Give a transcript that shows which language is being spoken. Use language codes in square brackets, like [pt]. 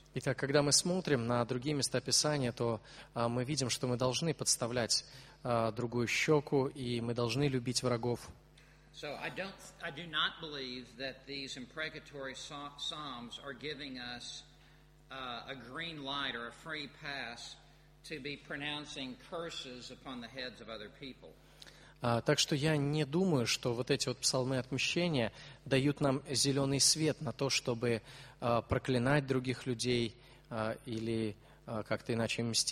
[ru] Итак, когда мы смотрим на другие места Писания, то мы видим, что мы должны подставлять другую щеку, и мы должны любить врагов. [en] So I do not believe that these imprecatory psalms are giving us a green light or a free pass to be pronouncing curses upon the heads of other people. [ru] Так что я не думаю, что вот эти вот псалмы отмщения дают нам зеленый свет на то, чтобы проклинать других людей или как-то иначе